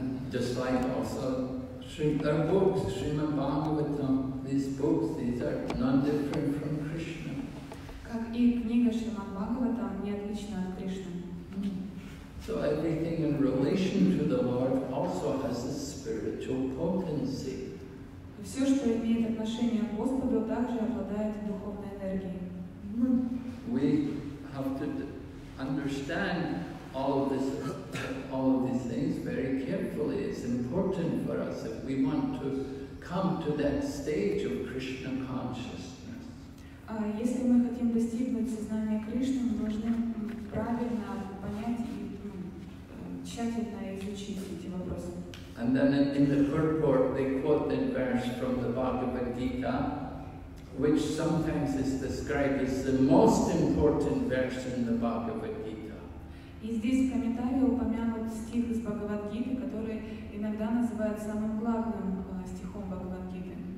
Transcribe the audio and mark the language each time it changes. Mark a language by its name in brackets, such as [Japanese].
[English] Just like also their books, Srimad Bhagavatam, these books are not different from Krishna. [Russian] Как и книга Шримад Бхагаватам не отлична от Кришны. [English] So everything in relation to the Lord also has a spiritual potency. [Russian] Все, что имеет отношение к Господу, также обладает духовной энергией. [English] We have to understand all of these things very carefully. It's important for us if we want to come to that stage of Krishna consciousness. [Russian] Если мы хотим достигнуть сознания Кришны, мы должны правильно понять и [English] And then in the purport, they quote that verse from the Bhagavad Gita, which sometimes is described as the most important verse in the Bhagavad Gita. [Russian] И здесь в комментарии упомянут стих из Бхагавад Гиты, который иногда называют самым главным стихом Бхагавад Гиты.